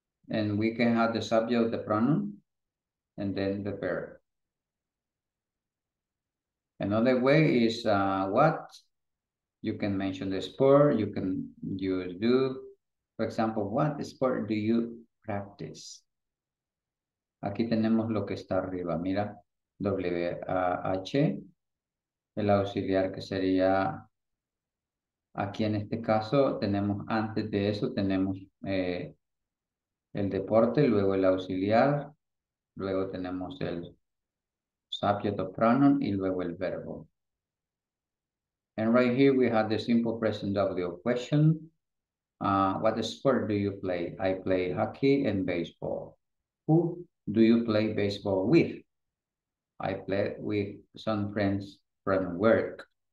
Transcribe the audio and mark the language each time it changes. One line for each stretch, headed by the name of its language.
English: And we can have the subject, the pronoun, and then the verb. Another way is what? You can mention the sport, you can use do. For example, what sport do you practice?
Spanish: Aquí tenemos lo que está arriba, mira, WH, el auxiliar que sería, aquí en este caso tenemos, antes de eso tenemos el deporte, luego el auxiliar, luego tenemos el
English: subject or pronoun
Spanish: y luego el verbo.
English: And right here we have the simple present W question. What sport do you play? I play hockey and baseball. Who do you play baseball with? I play with some friends from work.